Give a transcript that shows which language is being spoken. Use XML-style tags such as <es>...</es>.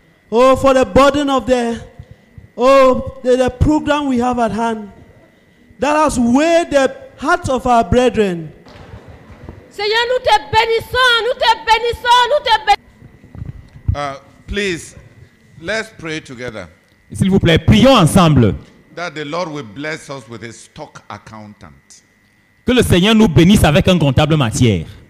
<en>Oh, for the burden of the program we have at hand that has weighed the hearts of our brethren.</en> <fr>Seigneur, nous te bénissons, nous te bénissons, nous te bénissons.</fr> <en>Please, let's pray together.</en> <fr>S'il vous plaît, prions ensemble.</fr> <en>That the Lord will bless us with a stock accountant.</en> <fr>Que le Seigneur nous bénisse avec un comptable matière.</fr>